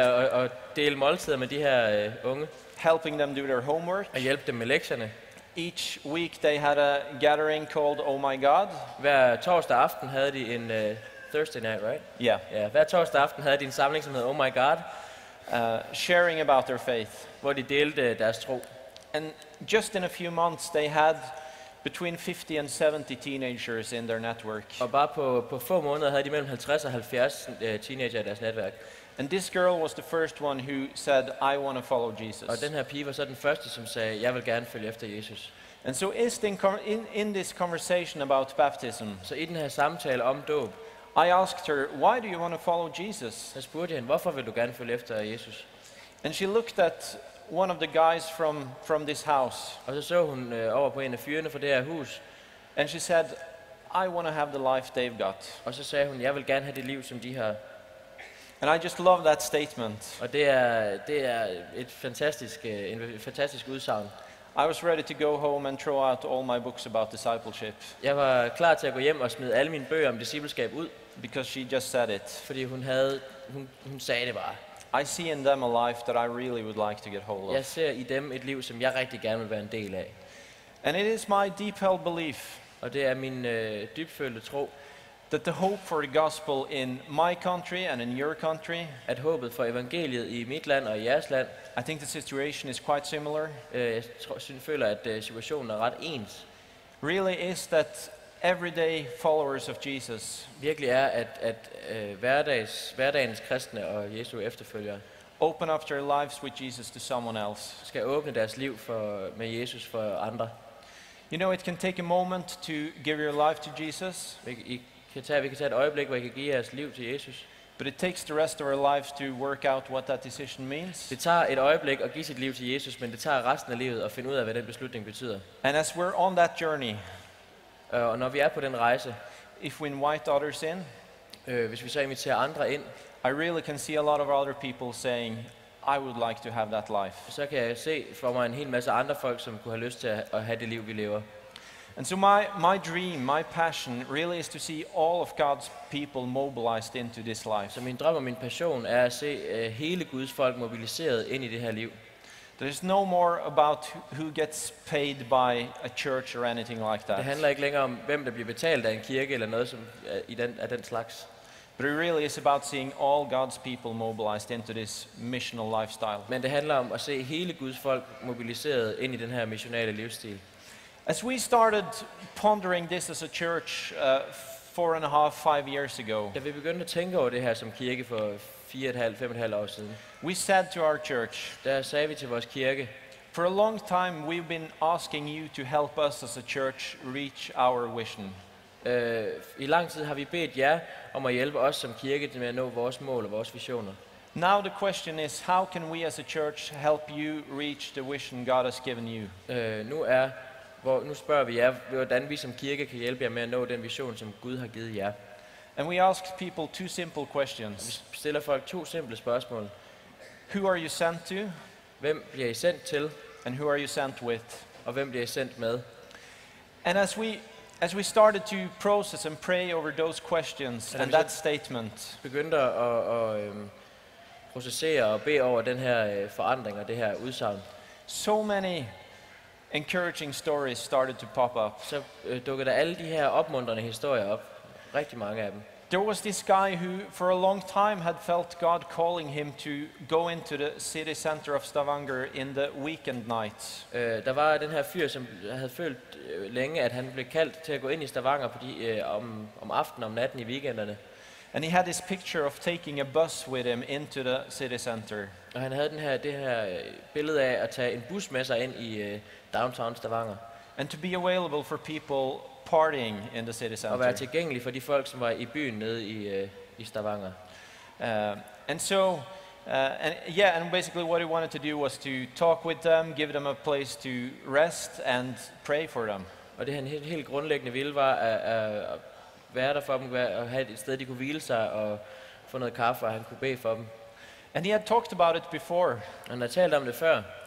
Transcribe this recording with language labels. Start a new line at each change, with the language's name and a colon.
Danish: Og dele måltider med de her unge.
English: Helping them do their homework.
Danish: Og hjælpe dem med lektierne.
English: Each week they had a gathering called Oh My God.
Danish: Hver torsdag aften havde de en
English: Thursday night, right? Yeah.
Danish: Yeah. Hver torsdag aften havde de en samling som hed Oh My God.
English: Sharing about their faith.
Danish: Hvor de delte deres tro.
English: And just in a few months they had between 50 and 70 teenagers in their network.
Danish: Og bare på få måneder havde de mellem 50 og 70 teenager i deres netværk.
English: And this girl was the first one who said, I want to follow Jesus.
Danish: Og den her pige var så den første, som sagde, jeg vil gerne følge efter Jesus.
English: And so in this conversation about baptism,
Danish: så i den her samtale om dåb,
English: I asked her, why do you want to follow Jesus?
Danish: Så spurgte jeg hende, hvorfor vil du gerne følge efter Jesus?
English: And she looked at one of the guys from this house.
Danish: Og så hun over på en af fyrene fra det her hus.
English: And she said, I want to have the life they've got.
Danish: Og så sagde hun, jeg vil gerne have det liv, som de har.
English: And I just love that statement.
Danish: Og det er et fantastisk udsagn.
English: I was ready to go home and throw out all my books about discipleship.
Danish: Jeg var klar til at gå hjem og smide alle mine bøger om discipleskab ud,
English: because she just said it.
Danish: Fordi hun sagde det bare.
English: I see in them a life that I really would like to get hold of.
Danish: Jeg ser i dem et liv som jeg rigtig gerne vil være en del af.
English: And it is my deep held belief.
Danish: Og det er min dybfølte tro.
English: That the hope for the gospel in my country and in your country.
Danish: At håbet for evangeliet i mit land og i jeres land.
English: I think the situation is quite similar.
Danish: Jeg føler at situationen er ret ens.
English: Really is that everyday followers of Jesus.
Danish: Virkelig er at hverdagens kristne og Jesu efterfølgere.
English: Open up their lives with Jesus to someone else.
Danish: Skal åbne deres liv med Jesus for andre.
English: You know, it can take a moment to give your life to Jesus.
Danish: Vi kan tage et øjeblik, hvor vi kan give jeres liv til Jesus.
English: But it takes the rest of our lives to work out what that decision means.
Danish: Det tager et øjeblik at give sit liv til Jesus, men det tager resten af livet at finde ud af, hvad den beslutning betyder.
English: And as we're on that journey,
Danish: og når vi er på den rejse,
English: if we invite others in,
Danish: hvis vi så inviterer andre ind,
English: I really can see a lot of other people saying, I would like to have that life.
Danish: Så kan jeg se for mig en hel masse andre folk, som kunne have lyst til at have det liv, vi lever.
English: And so my dream, my passion really is to see all of God's people mobilized into this life.
Danish: Så min drøm og min passion er at se hele Guds folk mobiliseret ind i det her liv.
English: There's no more about who gets paid by a church or anything like that.
Danish: Det handler ikke længere om hvem der bliver betalt af en kirke eller noget som af den slags.
English: But it really is about seeing all God's people mobilized into this missional lifestyle.
Danish: Men det handler om at se hele Guds folk mobiliseret ind i den her missionale livsstil.
English: As we started pondering this as a church 4.5-5 years ago,
Danish: da vi begyndte at tænke over det her som kirke for 4.5-5.5 år siden,
English: we said to our church,
Danish: der sagde vi til vores kirke,
English: for a long time we've been asking you to help us as a church reach our vision.
Danish: I lang tid har vi bedt jer om at hjælpe os som kirke med at nå vores mål og vores visioner.
English: Now the question is, how can we as a church help you reach the vision God has given you?
Danish: Nu spørger vi jer, hvordan vi som kirke kan hjælpe jer med at nå den vision, som Gud har givet jer.
English: And we ask people two simple questions.
Danish: Vi stiller folk to simple spørgsmål.
English: Who are you sent to?
Danish: Hvem bliver I sendt til?
English: And who are you sent with?
Danish: Og hvem bliver I sendt med?
English: And as we started to process and pray over those questions and that statement.
Danish: Begyndte at processere og bede over den her forandring og det her udsagn.
English: So many encouraging stories started to pop up.
Danish: Så dukker der alle de her opmuntrende historier op. Rigtig mange af dem.
English: There was this guy who for a long time had felt God calling him to go into the city center of Stavanger in the weekend nights.
Danish: Der var den her fyr som havde følt længe at han blev kaldt til at gå ind i Stavanger på om aftenen om natten i weekenderne.
English: And he had this picture of taking a bus with him into the city center.
Danish: Og han havde det her billede af at tage en bus med sig ind i downtown Stavanger.
English: And to be available for people partying in the city center.
Danish: Og være tilgængelig for de folk som var i byen nede i Stavanger.
English: And basically what he wanted to do was to talk with them, give them a place to rest and pray for them.
Danish: Og det han helt grundlæggende ville var at være der for dem, at have et sted de kunne hvile sig og få noget kaffe, og han kunne bede for dem.
English: And he had talked about it before.
Danish: Han havde talt om det før.